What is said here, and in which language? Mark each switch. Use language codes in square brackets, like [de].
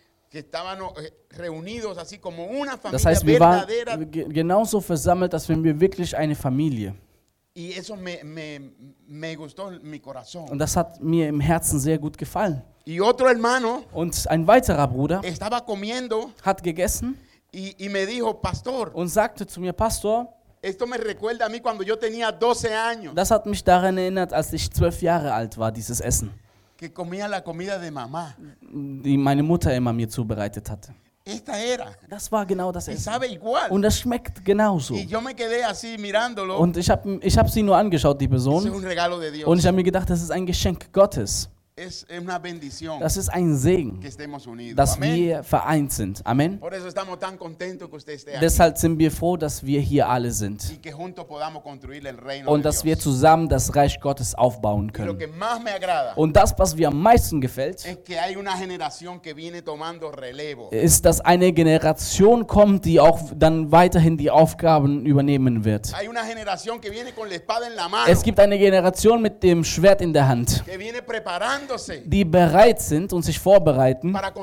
[es] Que estábamos reunidos así como una familia. [de] Das heißt, wir waren genauso versammelt, als wenn wir wirklich eine Familie. [es] Y eso me gustó mi corazón. [de] Und das hat mir im Herzen sehr gut gefallen. [es] Y otro hermano. [de] Und ein weiterer Bruder. [es] Estaba comiendo. [de] Hat gegessen. [es] Y me dijo, Pastor. [de] Und sagte zu mir, Pastor. [es] Esto me recuerda a mí cuando yo tenía 12 años. [de] Das hat mich daran erinnert, als ich 12 Jahre alt war, dieses Essen. [es] Que comía la comida de mamá. [de] Die meine Mutter immer mir zubereitet hatte. [es] Esta era. [de] Das war genau das Essen. [es] Y sabe igual. [de] Und das schmeckt genauso. [es] Y yo me quedé así mirándolo. [de] Und ich hab sie nur angeschaut, die Person. [es] Es un regalo de Dios. [de] Und ich habe mir gedacht, das ist ein Geschenk Gottes. [es] Es una bendición. [de] Das ist ein Segen, [es] que estemos unidos. [de] Dass Amen. Wir vereint sind. Amen. [es] Por eso estamos tan contentos que usted esté aquí. [de] Deshalb sind wir froh, dass wir hier alle sind. [es] Y que junto podamos construir el reino [de] und dass [es] Dios. [de] Wir zusammen das Reich Gottes aufbauen können. [es] Y lo que más me agrada, [de] und das, was mir am meisten gefällt, [es] es que hay una generación que viene tomando relevo. [de] Ist, dass eine Generation kommt, die auch dann weiterhin die Aufgaben übernehmen wird. [es] Hay una generación que viene con la espada en la mano. [de] Es gibt eine Generation mit dem Schwert in der Hand. [es] Que viene preparando, [de] die bereit sind und sich vorbereiten,